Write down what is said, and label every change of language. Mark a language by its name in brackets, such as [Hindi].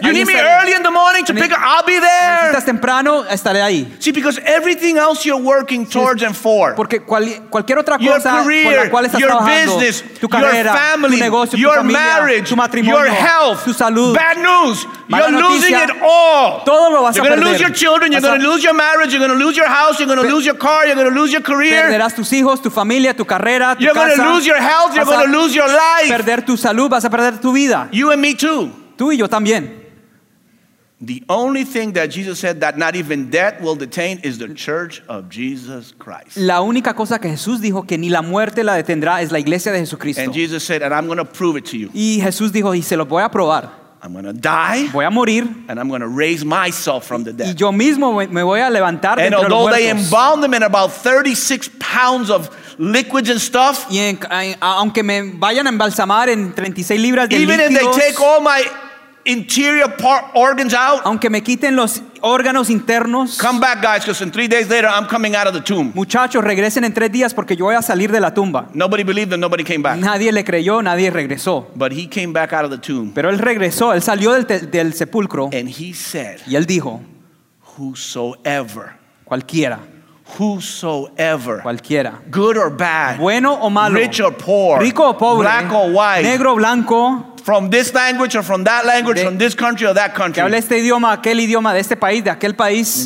[English] You need me early in the morning to pick up. I'll be there. [Spanish] Necesitas temprano, estaré ahí. [English] See, because everything else you're working towards and for. [Spanish] Porque cualquier otra cosa por la cual estás trabajando. [English] Your business, [Spanish] tu carrera, [English] your family, [Spanish] tu negocio, [English] your [Spanish] tu familia, [English] marriage, [Spanish] tu matrimonio, [English] your health, [Spanish] tu salud. [English] Bad news. [Spanish] Mala [English] you're [Spanish] noticia, [English] losing it all. [Spanish] Todo lo [English] You're going to lose your children, you're going to lose your marriage, you're going to lose your house, you're going to lose your car, you're going to lose your career. [Spanish] Perderás tus hijos, tu familia, tu carrera, tu casa. [English] You're going to lose your health, you're going to lose your life. [Spanish] Perder tu salud, vas a perder tu vida. [English] You and me too. [Spanish] Tú y yo también. [English] The only thing that Jesus said that not even death will detain is the church of Jesus Christ. [Spanish] La única cosa que Jesús dijo que ni la muerte la detendrá es la iglesia de Jesucristo. [English] And Jesus said, and I'm going to prove it to you. [Spanish] Y Jesús dijo, y se lo voy a probar. [English] I'm going to die. [Spanish] Voy a morir. [English] And I'm going to raise myself from the dead. [Spanish] Y yo mismo me voy a levantar de entre muertos. [English] And although they embalmed them in about 36 pounds of liquids and stuff, [Spanish] y en, aunque me vayan a embalsamar en 36 libras de [English] even [Spanish] líquidos, [English] if they take all my interior part organs out, [Spanish] aunque me quiten los órganos internos, [English] come back, guys, because in 3 days later I'm coming out of the tomb. [Spanish] Muchachos, regresen en 3 días porque yo voy a salir de la tumba. [English] Nobody believed and nobody came back. [Spanish] Nadie le creyó, nadie regresó. [English] But he came back out of the tomb. [Spanish] Pero él regresó, él salió del sepulcro. [English] And he said, [Spanish] y él dijo, [English] whosoever, [Spanish] cualquiera, [English] whosoever, [Spanish] cualquiera, [English] good or bad, [Spanish] bueno o malo, [English] rich or poor, [Spanish] rico o pobre, [English] black or white, [Spanish] negro o blanco. [English] From this language or from that language, from this country or that country. [Spanish] Que hable este idioma, aquel idioma, de este país, de aquel país.